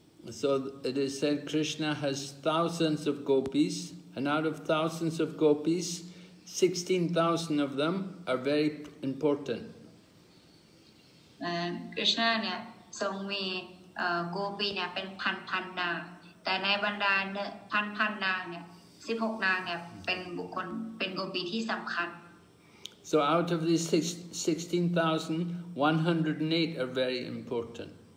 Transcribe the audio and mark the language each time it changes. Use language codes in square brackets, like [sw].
[en] So it is said Krishna has thousands of gopis, and out of thousands of gopis, 16,000 of them are very important. [th] Krishna เนี่ยทรงมีGopi เนี่ยเป็นพันๆนางแต่ในบรรดาพันๆนางเนี่ย16นางเนี่ยเป็นบุคคลเป็น Gopi ที่สำคัญ [en] So out of these 16,108 are very important